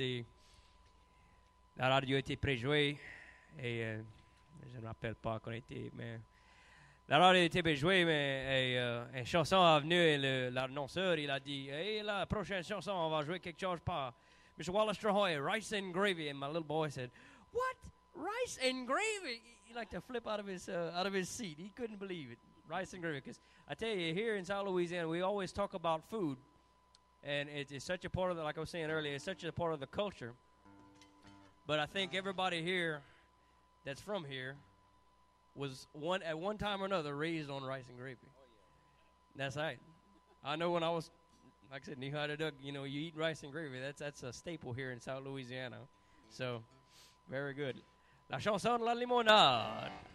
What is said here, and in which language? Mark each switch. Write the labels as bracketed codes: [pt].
[fr] Et la radio était préjouée et je ne me rappelle pas qu'on était, mais la radio était préjouée. Mais et, une chanson est venue et l'annonceur il a dit hey, la prochaine chanson, on va jouer quelque chose par M. Wallace Trahoy, Rice and Gravy. [en] And my little boy said, What? rice and gravy. He liked to flip out of his seat. He couldn't believe it. Rice and gravy. Because I tell you, here in South Louisiana, we always talk about food. And it's such a part of the, like I was saying earlier, it's such a part of the culture. But I think everybody here that's from here was one at one time or another raised on rice and gravy. Oh, yeah. That's right. I know when I was, like I said, knee high to duck, you know, you eat rice and gravy. That's a staple here in South Louisiana. So, very good. [fr] La chanson de la limonade.